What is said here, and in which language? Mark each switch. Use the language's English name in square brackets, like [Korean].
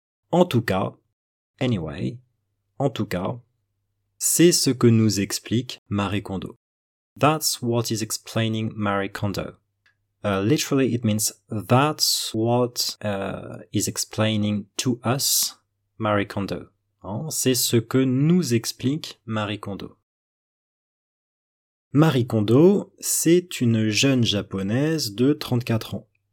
[French] En tout cas, [English] anyway, [French] en tout cas, c'est ce que nous explique Marie Kondo. [English] That's what is explaining Marie Kondo. Literally, it means that's what is explaining to us Marie Kondo. [French] Hein? C'est ce que nous explique Marie Kondo. Marie Kondo, c'est une jeune japonaise de 34 ans.